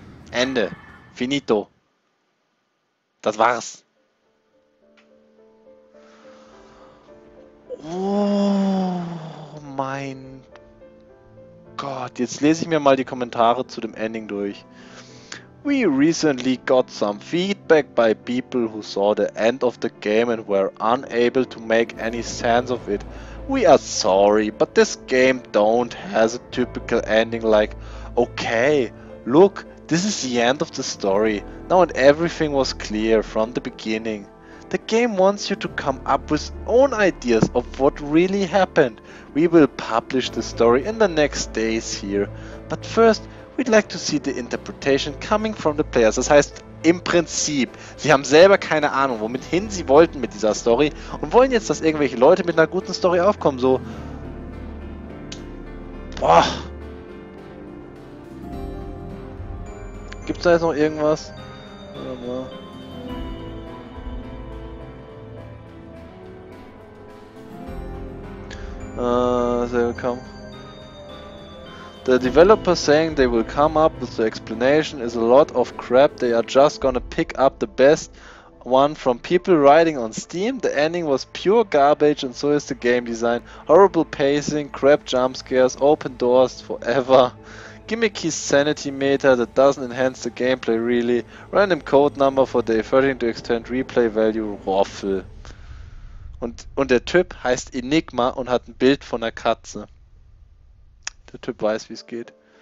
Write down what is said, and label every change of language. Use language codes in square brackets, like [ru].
[de] Ende. Finito. Das war's. Oh mein Gott. Jetzt lese ich mir mal die Kommentare zu dem Ending durch. [en] We recently got some feedback by people who saw the end of the game and were unable to make any sense of it. We are sorry, but this game don't has a typical ending like, okay, look, this is the end of the story. Now and everything was clear from the beginning. The game wants you to come up with own ideas of what really happened. We will publish the story in the next days here, but first we'd like to see the interpretation coming from the players. [de] Das heißt, im Prinzip, sie haben selber keine Ahnung, womit hin sie wollten mit dieser Story und wollen jetzt, dass irgendwelche Leute mit einer guten Story aufkommen. So. Boah. Gibt's da jetzt noch irgendwas? Warte mal. Sehr willkommen. [en] The developer saying they will come up with the explanation is a lot of crap. They are just gonna pick up the best one from people writing on Steam. The ending was pure garbage and so is the game design. Horrible pacing, crap jump scares, open doors forever. Gimmicky sanity meter that doesn't enhance the gameplay really. Random code number for day 13 to extend replay value. Waffle. [de] Und der Typ heißt Enigma und hat ein Bild von einer Katze. Der Typ weiß, wie es geht.